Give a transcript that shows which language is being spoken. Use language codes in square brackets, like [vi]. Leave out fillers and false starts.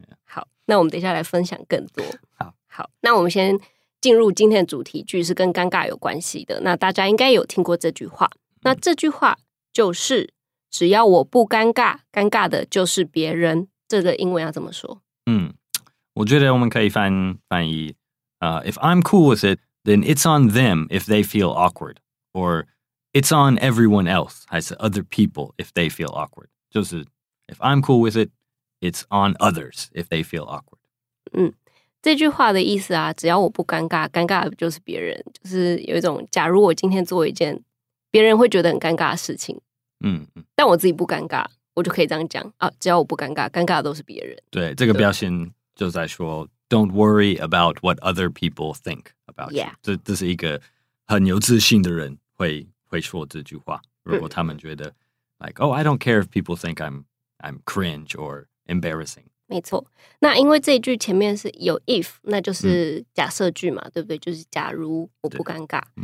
[zh] 好，那我们等一下来分享更多。好，那我们先进入今天的主题，句是跟尴尬有关系的。那大家应该有听过这句话，那这句话就是。只要我不尴尬，尴尬的就是别人。这个英文要怎么说？我觉得我们可以翻译。 [en] If I'm cool with it, then it's on them if they feel awkward. Or it's on everyone else, [zh] 还是 [en] other people if they feel awkward. [zh] 就是 [en] if I'm cool with it, it's on others if they feel awkward. [zh] 这句话的意思啊，只要我不尴尬，尴尬的就是别人。就是有一种，假如我今天做一件别人会觉得很尴尬的事情。但我自己不尴尬，我就可以这样讲啊。只要我不尴尬，尴尬的都是别人。对，这个表现就在说 [en] ，Don't worry about what other people think about you。 Yeah. [zh] 这是一个很有自信的人会说这句话。如果他们觉得 [en] ，like oh I don't care if people think I'm cringe or embarrassing。 [zh] 没错，那因为这一句前面是有 if， 那就是假设句嘛，对不对？就是假如我不尴尬。